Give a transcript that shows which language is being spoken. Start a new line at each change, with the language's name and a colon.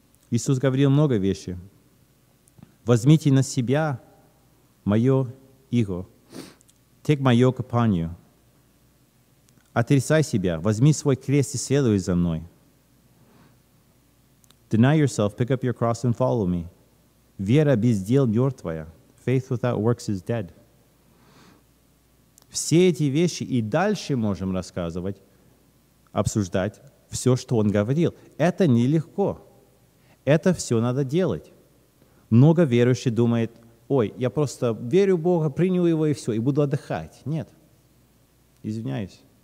Russian: Иисус говорил много вещей. «Возьмите на себя мое иго,
English: take my yoke upon you.
Russian: Отрицай себя, возьми свой крест и следуй за мной.
English: Deny yourself, pick up your cross and follow me.
Russian: Вера без дел мертвая,
English: faith without works is dead».
Russian: Все эти вещи и дальше можем рассказывать, обсуждать все, что Он говорил. Это нелегко. Это все надо делать. Много верующих думает: ой, я просто верю в Бога, принял Его и все, и буду отдыхать. Нет. Извиняюсь.